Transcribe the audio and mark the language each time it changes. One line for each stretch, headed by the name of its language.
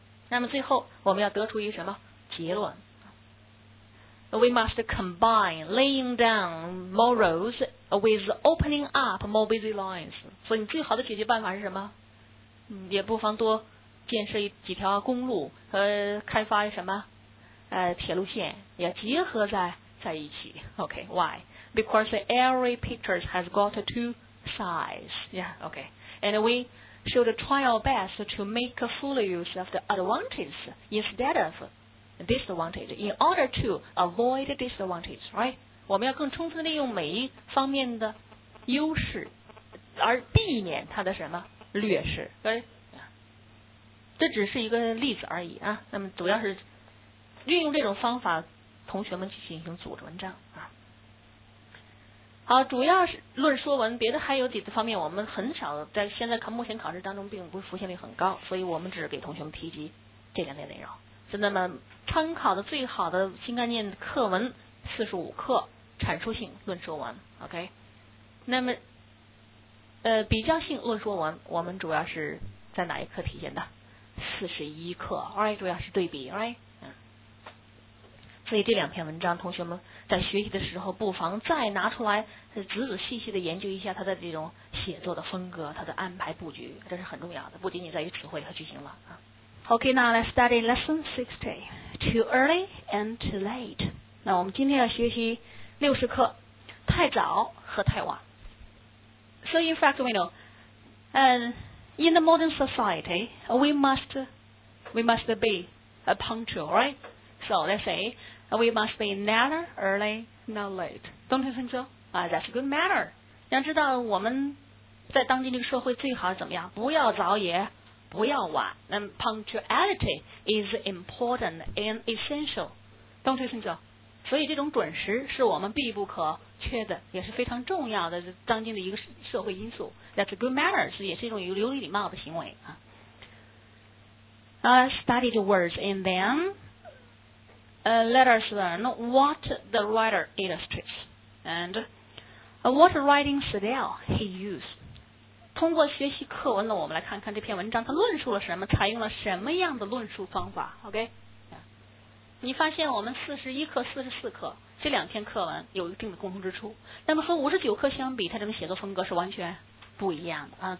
Chinese: 那么最后我们要得出一个什么结论
English: ？We must combine laying down more roads with opening up more busy lines。
Chinese: 所以你最好的解决办法是什么？也不妨多。建设几条公路和开发什么铁路线也结合在一起 ，OK?
English: Why? Because every picture has got two sides, yeah, OK? And we should try our best to make full use of the advantages instead of disadvantage in order to avoid disadvantage, right?
Chinese: 我们要更充分利用每一方面的优势，而避免它的什么劣势，对。这只是一个例子而已啊，那么主要是运用这种方法，同学们去进行组织文章啊。好，主要是论说文，别的还有几个方面，我们很少在现在目前考试当中并不是浮现率很高，所以我们只是给同学们提及这两点内容。是那么参考的最好的新概念课文45课，阐述性论说文 ，OK。那么比较性论说文，我们主要是在哪一课体现的？ 41课 ，right， 主要是对比 ，right， 所以这两篇文章，同学们在学习的时候，不妨再拿出来仔仔细细的研究一下它的这种写作的风格，它的安排布局，这是很重要的，不仅仅在于词汇和句型了啊。
English: OK, now let's study lesson 60, too early and too late.
Chinese: 那我们今天要学习60课，太早和太晚。
English: So in fact, we know, in the modern society, we must be a punctual, right? So let's say, we must be neither early nor late. Don't you think so? That's a good manner.
Chinese: 你要知道我们在当今这个社会最好怎么样？不要早也，不要晚。那
English: punctuality is important and essential. Don't you think so?
Chinese: 所以这种准时是我们必不可缺的，也是非常重要的当今的一个社会因素。
English: That's a good manners,
Chinese: 也是一种有礼貌的行为啊。
English: Study the words and then let us learn what the writer illustrates and what writing style he used.
Chinese: 通过学习课文呢，我们来看看这篇文章它论述了什么，采用了什么样的论述方法。 OK,你发现我们41课、44课这两篇课文有一定的共同之处，那么和59课相比，它这种写作风格是完全不一样的啊。